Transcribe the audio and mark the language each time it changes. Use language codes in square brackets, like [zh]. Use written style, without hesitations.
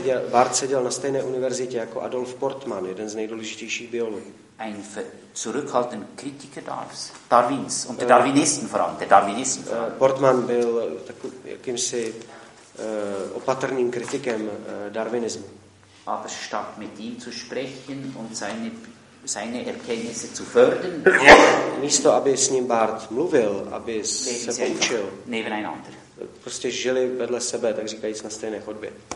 [cs] Bart seděl na stejné univerzitě jako Adolf Portmann, jeden z nejdůležitějších biologů. [de] Ein zurückhaltend Kritiker Darwins und der Darwinisten vor allem, der Darwinisten. [cs] Portmann byl takový jakýmsi opatrným kritikem darwinismu. [de] Aber statt mit ihm zu sprechen und seine Erkenntnisse zu fördern, [cs] místo aby s ním Bart mluvil, aby se poučil, prostě žili vedle sebe, tak říkajíc na stejné chodbě.